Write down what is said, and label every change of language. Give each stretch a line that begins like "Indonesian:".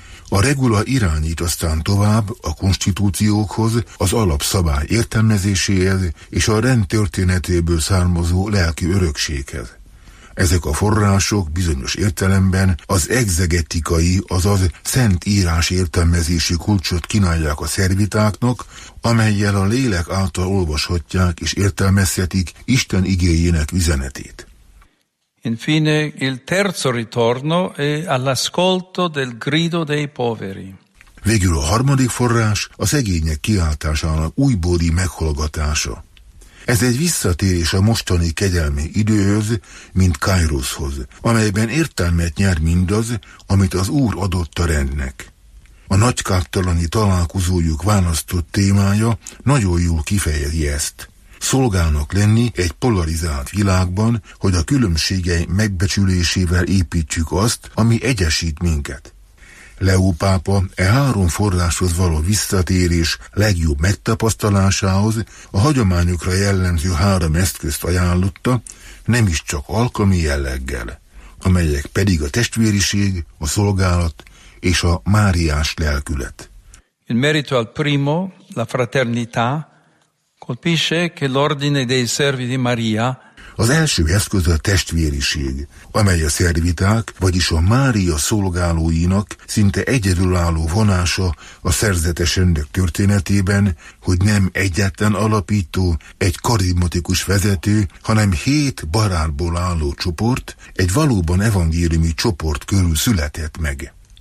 Hungarian: A regula irányít aztán tovább a konstitúciókhoz, az alapszabály értelmezéséhez és a rend történetéből származó lelki örökséghez. Ezek a források bizonyos értelemben az egzegetikai, azaz szent írás értelmezési kulcsot kínálják a szervitáknak, amellyel a lélek által olvashatják és értelmezhetik Isten igéjének üzenetét.
Italian: Infine, il terzo ritorno è all'ascolto del grido dei poveri.
Hungarian: Végül a harmadik forrás a szegények kiáltásának újbóli meghallgatása. Ez egy visszatérés a mostani kegyelmi időhöz, mint Kairoshoz, amelyben értelmet nyer mindaz, amit az Úr adott a rendnek. A nagykártalani találkozójuk választott témája nagyon jól kifejezi ezt. Szolgálnak lenni egy polarizált világban, hogy a különbségei megbecsülésével építjük azt, ami egyesít minket. Leó pápa e három forráshoz való visszatérés legjobb megtapasztalásához a hagyományokra jellemző három eszközt ajánlotta, nem is csak alkalmi jelleggel, amelyek pedig a testvériség, a szolgálat és a máriás lelkület.
Italian: In merito al primo, la fraternità, colpisce che l'ordine dei servi di Maria.
Hungarian: Az első eszköz a testvériség, amely a szerviták, vagyis a Mária szolgálóinak szinte egyedülálló vonása a szerzetesendők történetében, hogy nem egyetlen alapító, egy karizmatikus vezető, hanem hét barátból álló csoport, egy valóban evangéliumi csoport körül született meg.